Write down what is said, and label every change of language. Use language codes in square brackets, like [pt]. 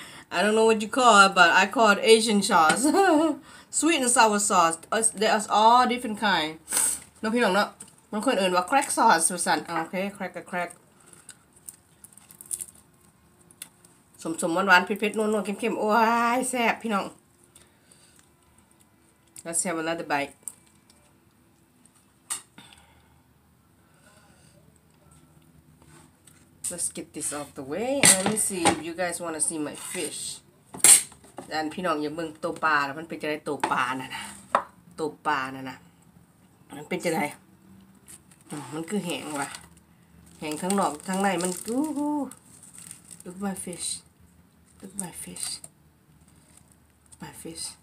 [en] I don't know what you call it, but I call it Asian sauce. Sweet and sour sauce. There's all different kind. [tts] No, พี่น้องเนาะบางคนอื่นว่า crack sauce ประสันโอเค crack กับ crack. สมสมหวานหวานเผ็ดเผ็ดนวลนวลเค็มเค็มโอ้ยแซ่บพี่น้อง [en] Let's have another bite. Let's get this off the way and let me see if you guys want to see my fish. [tts] And พี่น้องอย่าเบิ่งตัวปลาน่ะมันเป็นจังได๋ตัวปลาน่ะนะตัวปลาน่ะนะมันเป็นจังได๋มันคือแห้งว่ะแห้งทั้งนอกทั้งในมันกู้ฮู้ [en] Look my fish. Look my fish. My fish.